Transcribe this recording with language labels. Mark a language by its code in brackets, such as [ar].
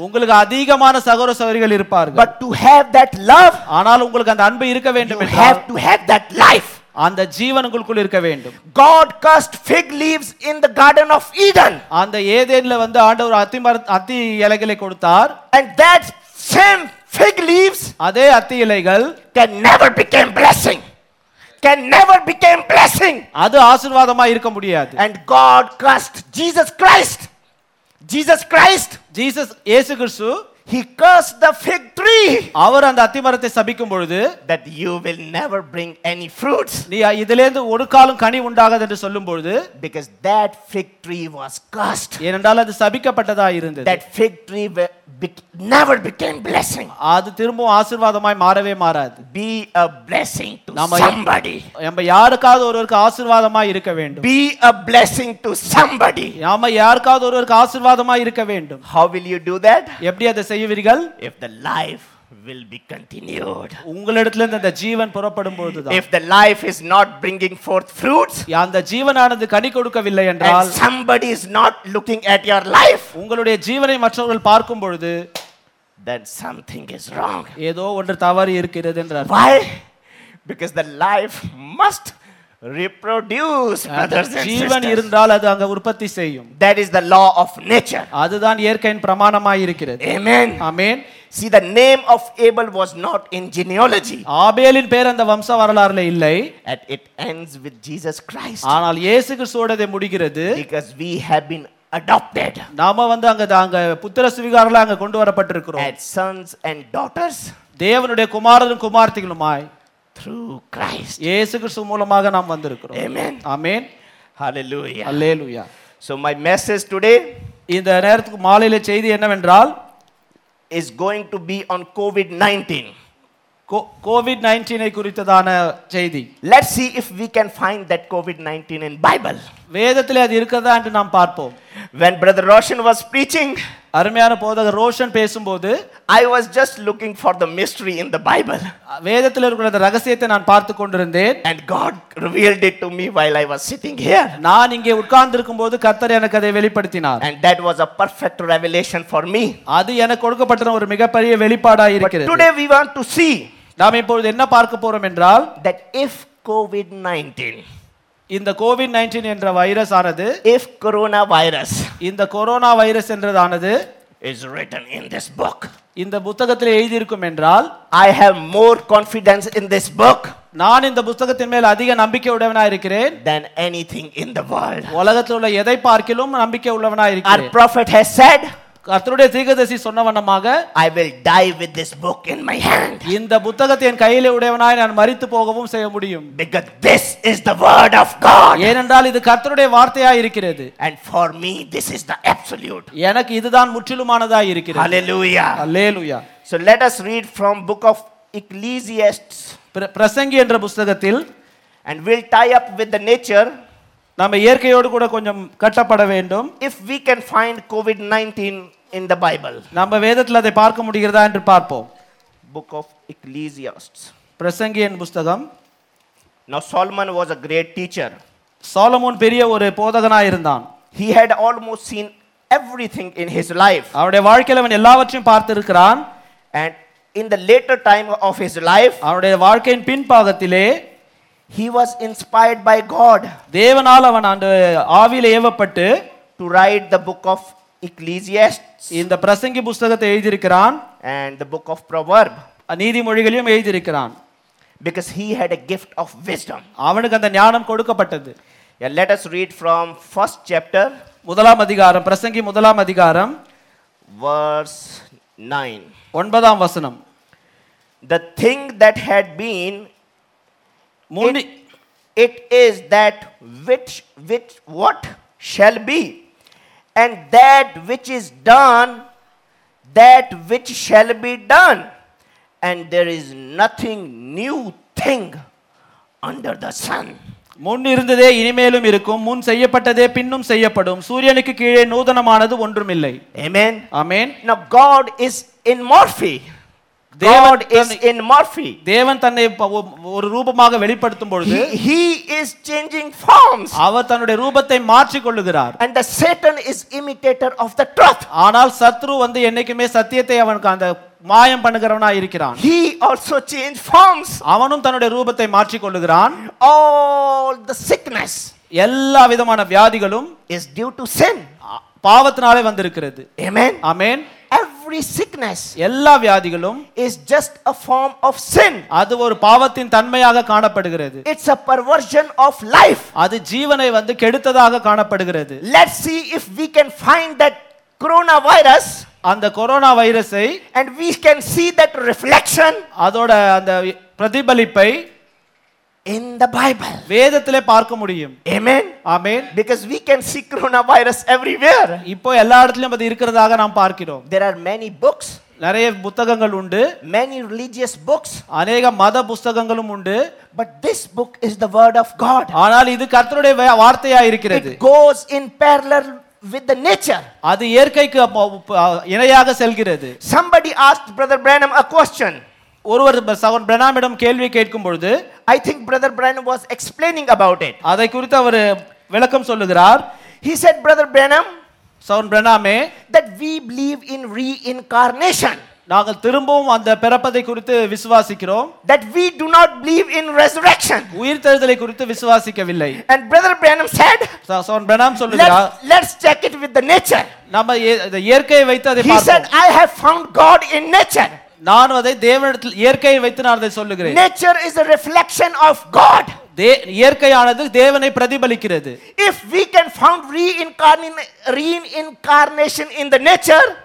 [ta] உங்களுக்கு அதிகமான சகோதர சகோதரிகள் இருப்பார்கள். [en] But to have that love, [ta] ஆனால் உங்களுக்கு அந்த அன்பு இருக்க வேண்டும். [en] You have to have that life. [ta] அந்த ஜீவனுக்குள் இருக்க வேண்டும். [en] God cast fig leaves in the garden of Eden. [ta] அந்த ஏதேன்ல வந்து ஆண்டவர் அத்தி இலைகளை கொடுத்தார். [en] And that same fig leaves, [ta] அதே அத்தி இலைகள், [en] can never become blessing. Can never become blessing. [ta] அது ஆசீர்வாதமா இருக்க முடியாது. [en] And God cast Jesus Christ. Jesus Christ. [ta] Jesus இயேசு கிறிஸ்து. [en] He cursed the fig tree. [ta] அவர் அந்த அத்திமரத்தை சபிக்கும் பொழுது, [en] that you will never bring any fruits. [ta] நீ இதிலிருந்து ஒரு காலும் கனி உண்டாகாது என்று சொல்லும் பொழுது, [en] because that fig tree was cursed. [ta] ஏனென்றால் அது சபிக்கப்பட்டதா இருந்தது. [en] That fig tree never became blessing. [ta] அது திரும்பவும் ஆசீர்வாதமாய் மாறவே மாறாது. [en] Be a blessing to somebody. [ta] நாம் யாருக்காவது ஒருவருக்கு ஆசீர்வாதமாய் இருக்க வேண்டும். [en] Be a blessing to somebody. [ta] நாம் யாருக்காவது ஒருவருக்கு ஆசீர்வாதமாய் இருக்க வேண்டும். [en] How will you do that? [ta] எப்படி அதை செய்வீர்கள்? [en] If the life will be continued. [ta] உங்களிடத்திலிருந்து அந்த ஜீவன் புறப்படும் பொழுதுதான். [en] If the life is not bringing forth fruits. [ta] அந்த ஜீவனானது கனி கொடுக்கவில்லை என்றால். [en] And somebody is not looking at your life. [ta] உங்களுடைய ஜீவனை மற்றவர்கள் பார்க்கும் பொழுது, [en] then something is wrong. [ta] ஏதோ ஒன்று தவறு இருக்கிறது என்றார். [en] Why? Because the life must reproduce, brothers and sisters. [ta] ஜீவன் இருந்தால் அது அங்க உற்பத்தி செய்யும். [en] That is the law of nature. [ta] அதுதான் இயற்கையின் பிரமாணமாய் இருக்கிறது. [en] Amen. Amen. See, the name of Abel was not in genealogy. [ta] ஆபேலின் பேர் அந்த வம்ச வரலாறுல இல்லை. [en] And it ends with Jesus Christ. [ta] ஆனால் இயேசு கிறிஸ்துவோடதே முடிகிறது. [en] Because we have been adopted. [ta] நாம வந்து அங்க புத்திர சுவிகாரல அங்க கொண்டு வரப்பட்டிருக்கிறோம். [en] As sons and daughters. [ta] தேவனுடைய குமாரரும் குமார்த்திகளுமாய். [en] Through Christ. [ta] இயேசு கிறிஸ்து மூலமாக நாம் வந்திருக்கிறோம். [en] Amen. Amen. Hallelujah. Hallelujah. So my message today. [ta] இந்த நேரத்துக்கு மாலையில செய்தி என்னவென்றால், [en] is going to be on COVID-19. [ta] COVID-19 ஐ குறித்ததான செய்தி. [en] Let's see if we can find that COVID-19 in Bible. [ta] வேதத்தில் அது இருக்கதா என்று நாம் பார்ப்போம். [en] When Brother Roshan was preaching, [ta] அருமையான போதகர் ரோஷன் பேசும்போது, [en] I was just looking for the mystery in the Bible. [ta] வேதத்தில் இருக்கிற அந்த ரகசியத்தை நான் பார்த்துக் கொண்டிருந்தேன். [en] And God revealed it to me while I was sitting here. [ta] நான் இங்கே உட்கார்ந்திருக்கும்போது கர்த்தர் எனக்கு அதை வெளிப்படுத்தினார். [en] And that was a perfect revelation for me. [ta] அது எனக்கு கொடுக்கப்பட்ட ஒரு மிகப்பெரிய வெளிப்பாடாக இருக்கிறது. [en] Today we want to see, [ta] நாம் இப்பொழுது என்ன பார்க்க போறோம் என்றால், [en] that if COVID-19, [ta] இந்த COVID-19 என்ற வைரஸ் ஆனது, [en] if corona virus, [ta] இந்த corona virus என்றதானது, [en] is written in this book, [ta] இந்த புத்தகத்தில் எழுதியிருக்கும் என்றால், [en] I have more confidence in this book, [ta] நான் இந்த புத்தகத்தின் மேல் அதிக நம்பிக்கை உடையவனாய் இருக்கிறேன், [en] than anything in the world, [ta] உலகத்தில் உள்ள எதை பார்க்கிலும் நம்பிக்கை உள்ளவனாய் இருக்கிறேன். [en] Our prophet has said, [ta] கர்த்தருடைய தீர்க்கதரிசி சொன்ன வண்ணமாக, [en] I will die with this book in my hand. [ta] இந்த புத்தகத்தை என் கையிலே உடையவனாய் நான் மரித்து போகவும் செய்ய முடியும். [en] Because this is the word of God. [ta] ஏனென்றால் இது கர்த்தருடைய வார்த்தையாய் இருக்கிறது. [en] And for me this is the absolute. [ta] எனக்கு இதுதான் முற்றிலுமானதாய் இருக்கிறது. [en] Hallelujah. Hallelujah. So let us read from book of Ecclesiastes. [ta] பிரசங்கி என்ற புத்தகத்தில், [en] and we'll tie up with the nature. [ta] நாம இயற்கையோடு கூட கொஞ்சம் கட்டப்பட வேண்டும். [en] If we can find COVID-19 in the Bible. [ta] நம்ம வேதத்தில் அதை பார்க்க முடிகிறதா என்று பார்ப்போம். [en] Book of Ecclesiastes. [ta] பிரசங்கி என் புத்தகம். [en] Now Solomon was a great teacher. [ta] Solomon பெரிய ஒரு போதகனாக இருந்தான். [en] He had almost seen everything in his life. [ta] அவருடைய வாழ்க்கையில் அவன் எல்லாவற்றையும் பார்த்திருக்கிறான். [en] And in the later time of his life, [ta] அவருடைய வாழ்க்கையின் பின்பாகத்திலே, [en] he was inspired by God, [ta] தேவனால் அவன் அந்த ஆவியிலே ஏவப்பட்டு, [en] to write the book of Ecclesiastes, [ta] இந்த பிரசங்கி புத்தகத்தை எழுதியிருக்கிறான். [en] And the book of Proverbs, [ta] நீதிமொழிகளையும் எழுதியிருக்கிறான். [en] Because he had a gift of wisdom, [ta] அவனுக்கு அந்த ஞானம் கொடுக்கப்பட்டது. [en] Yeah, let us read from first chapter, [ta] முதலாம் அதிகாரம், பிரசங்கி முதலாம் அதிகாரம், [en] verse 9, [ta] ஒன்பதாம் வசனம். [en] The thing that had been, [ta] முன்னி [en] it is that which what shall be, and that which is done, that which shall be done, and there is nothing new thing under the sun. [ta] முன் இருந்ததே இனிமேலும் இருக்கும், முன் செய்யப்பட்டதே பின்னும் செய்யப்படும், சூரியனுக்கு கீழே நூதனமானது ஒன்றும் இல்லை. [en] Amen. Amen. Now God is in morphe. God is in morphe. [ta] தேவன் தன்னை ஒரு ரூபமாக வெளிப்படுத்தும் பொழுது [en] he is changing forms. [ta] அவர் தன்னுடைய ரூபத்தை மாற்றிக் கொள்ளுகிறார். [en] And the Satan is imitator of the truth. [ta] ஆனால் சத்ரு வந்து என்னைக்குமே சத்தியத்தை அவனுக்கு அந்த மாயம் பண்ணுகிறவனாய் இருக்கிறான். [en] He also changed forms. [ta] அவனும் தன்னுடைய ரூபத்தை மாற்றிக் கொள்ளுகிறான். [en] All the sickness. [ta] எல்லா விதமான வியாதிகளும் [en] is due to sin. [ta] பாவத்தினாலே வந்திருக்கிறது. [en] Amen. Amen. Every sickness [ta] எல்லா வியாதிகளும் [en] is just a form of sin. [ta] அது ஒரு பாவத்தின் தன்மையாக காணப்படுகிறது. [en] It's a perversion of life. [ta] அது ஜீவனை வந்து கெடுத்ததாக காணப்படுகிறது. [en] Let's see if we can find that coronavirus. [ta] அந்த கொரோனா வைரஸை [en] and we can see that reflection [ta] அதோட அந்த பிரதிபலிப்பை [en] in the Bible [ta] வேதத்திலே பார்க்க முடியும். [en] Amen. Amen. Because we can see coronavirus everywhere. [ta] இப்போ எல்லா இடத்திலும் அது இருக்கிறதாக நாம் பார்க்கிறோம். [en] There are many books. [ta] நிறைய புத்தகங்கள் உண்டு. [en] Many religious books. [ta] அநேக மத புத்தகங்களும் உண்டு. [en] But this book is the word of God. [ta] ஆனால் இது கர்த்தருடைய வார்த்தையா இருக்கிறது. [en] It goes in parallel with the nature [ta] adu yerkaikku inayaga selgirathu. [en] Somebody asked brother Branham a question. [ta] Oruvar sagan Branham idam kelvi kekkum bodhu [en] I think brother Branham was explaining about it. [ta] Adai kurithu avaru velakkam sollugirar. [en] He said brother Branham [ta] sagan Branham [en] that we believe in reincarnation. [ta] நாங்கள் திரும்பவும் அந்த பிறப்பதை குறித்து விசுவாசிக்கிறோம். [en] That we do not believe in resurrection. [ta] உயிர்த்தெழுதலை குறித்து விசுவாசிக்கவில்லை. [en] And brother Branham said [ta] zone Pranam சொல்கிறார் [en] Let's check it with the nature. [ta] நாம இயற்கையை வைத்து அதை பார்ப்போம். [en] He said I have found God in nature. [ta] நான் அதை தேவனிடத்தில் இயற்கையை வைத்து நான் அதை சொல்லுகிறேன். [en] Nature is a reflection of God. [ta] இயற்கையானது தேவனை பிரதிபலிக்கிறது. [en] If we can found reincarnation in the nature